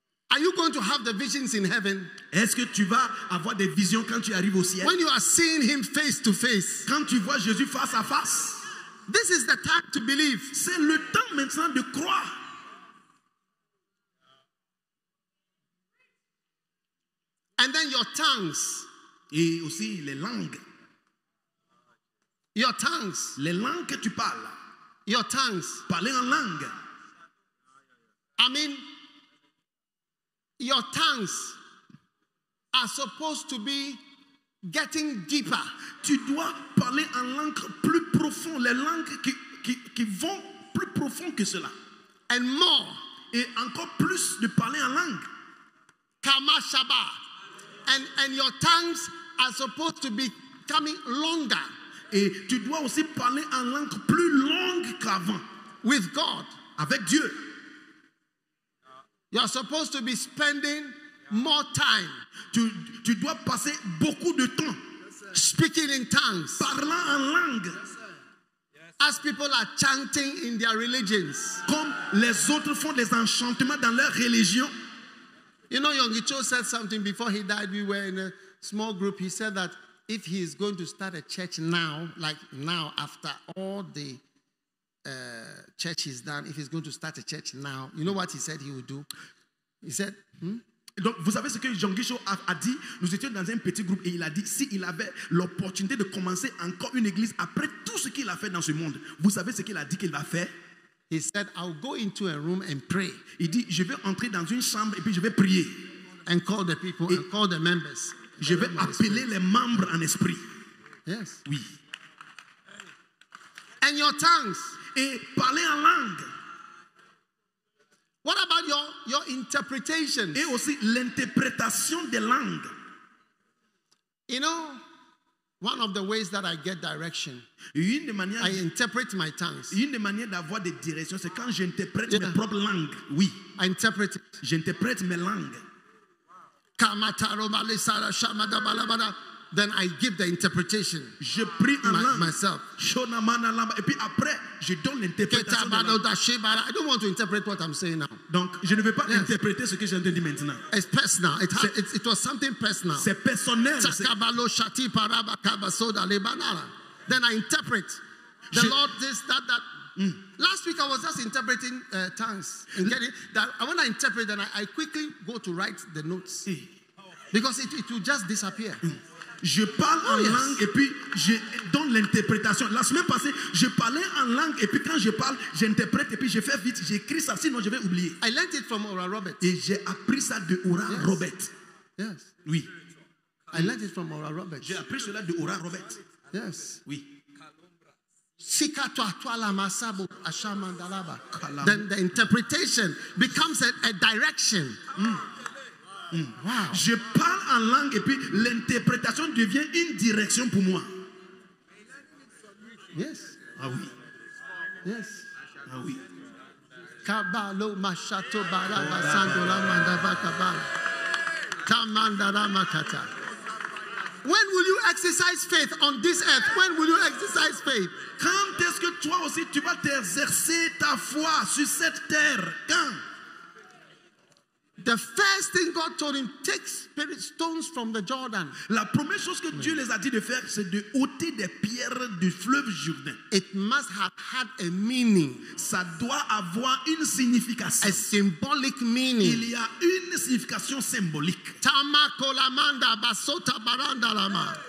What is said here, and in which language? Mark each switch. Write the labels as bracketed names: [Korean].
[English] Are you going to have the visions in heaven? [French] Est-ce que tu vas avoir des visions quand tu arrives au ciel? [English] When you are seeing him face to face. [French] Quand tu vois Jésus face à face. [English] This is the time to believe. [French] C'est le temps maintenant de croire. [English] And then your tongues. [French] Et aussi les langues. [English] Your tongues. [French] Les langues que tu parles. [English] Your tongues. [French] Parler en langue. [English] I mean, your tongues are supposed to be getting deeper. [French] Tu dois parler en langue plus profond, les langues qui vont plus profond que cela. [English] And more. [French] Et encore plus de parler en langue. Kama shaba. [English] And your tongues are supposed to be coming longer. [French] Et tu dois aussi parler en langue plus longue qu'avant. [English] With God. [French] Avec Dieu. [English] You are supposed to be spending more time. [French] Tu dois passer beaucoup de temps. [English] Yes, speaking in tongues. [French] Parlant en langue. Yes, [English] yes. As people are chanting in their religions. [French] Comme les autres font des enchantements dans leur religion. [English] You know, Yonggi Cho said something before he died. We were in a small group. He said that if he is going to start a church now, like now, after all the church is done, if he's going to start a church now, you know what he said he would do? He said, [French] Donc, vous savez ce que Yonggi Cho a dit? Nous étions dans un petit groupe et il a dit s'il avait l'opportunité de commencer encore une église après tout ce qu'il a fait dans ce monde, vous savez ce qu'il a dit qu'il va faire? [English] He said, I'll go into a room and pray. [French] Il dit, je vais entrer dans une chambre et puis je vais prier. [English] And call the people et and call the members. [French] Je vais appeler les membres en esprit. [English] Yes. [French] Oui. [English] And your tongues. [French] Et parler en langue. [English] What about your interpretation? [French] Et aussi l'interprétation des langues. [English] You know, one of the ways that I get direction. [French] Une des manières [English] I interpret my tongues. [French] Une des manières d'avoir des directions, c'est quand j'interprète mes propres langues. Oui. [English] I interpret. [French] J'interprète mes langues. [English] Kamataro malisara shamada balabada. Then I give the interpretation. [French] Je prie en langue. [English] Myself. [French] Shona mana lamba. Et puis après, je donne l'interprétation. [English] I don't want to interpret what I'm saying now. [French] Donc, je ne veux pas interpréter ce que j'ai entendu maintenant. [English] It's personal. It was something personal. [French] C'est personnel. Takabalo shati paraba kabasoda lebanala. Then I interpret. The Lord this, that. Mm. [English] Last week I was just interpreting tongues. I want to interpret and I quickly go to write the notes. [French] Si. [English] Because it will just disappear. Mm. [French] Je parle en langue et puis je donne l'interprétation. La semaine passée, je parlais en langue et puis quand je parle, j'interprète et puis je fais vite, j'écris ça, sinon je vais oublier. [English] I learned it from Oral Roberts. [French] Et j'ai appris ça de Oral Roberts. [English] Yes. [French] Oui. [English] I learned it from Oral Roberts. [French] J'ai appris cela de Oral Roberts. [English] Yes. [French] Oui. [English] Then the interpretation becomes a direction. Wow. [French] Je parle en langue et puis l'interprétation devient une direction pour moi. [English] Yes. [French] Ah oui. [English] Yes. [French] Ah oui. Kabalo machato bara basandola mandaba kabal. Kamandala makata. [English] When will you exercise faith on this earth? When will you exercise faith? [French] Quand est-ce que toi aussi tu vas t'exercer ta foi sur cette terre? Quand? [English] The first thing God told him, take spirit stones from the Jordan. [French] La première chose que Dieu les a dit de faire, c'est de ôter des pierres du fleuve Jourdain. [English] It must have had a meaning. [French] Ça doit avoir une signification. [English] A symbolic meaning. [French] Il y a une signification symbolique. Tama kolamanda basota baranda lama.